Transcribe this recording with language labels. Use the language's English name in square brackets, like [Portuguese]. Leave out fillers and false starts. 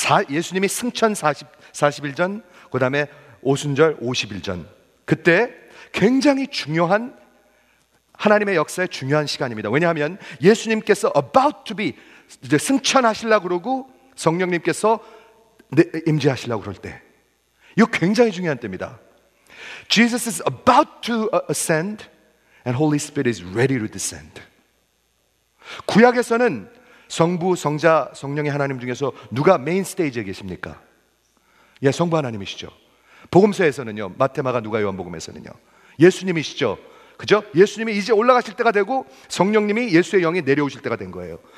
[Korean] 예수님이 승천 40일 전, 그 다음에 오순절 50일 전. 그때 굉장히 중요한 하나님의 역사의 중요한 시간입니다. 왜냐하면 예수님께서 [English] about to be [Korean] 이제 승천하시려고 그러고 성령님께서 임재하시려고 그럴 때 이거 굉장히 중요한 때입니다. [English] Jesus is about to ascend and Holy Spirit is ready to descend. [Korean] 구약에서는 성부, 성자, 성령의 하나님 중에서 누가 메인 스테이지에 계십니까? 예, 성부 하나님이시죠. 복음서에서는요, 마태마가 누가 요한복음에서는요, 예수님이시죠. 그죠? 예수님이 이제 올라가실 때가 되고 성령님이 예수의 영이 내려오실 때가 된 거예요.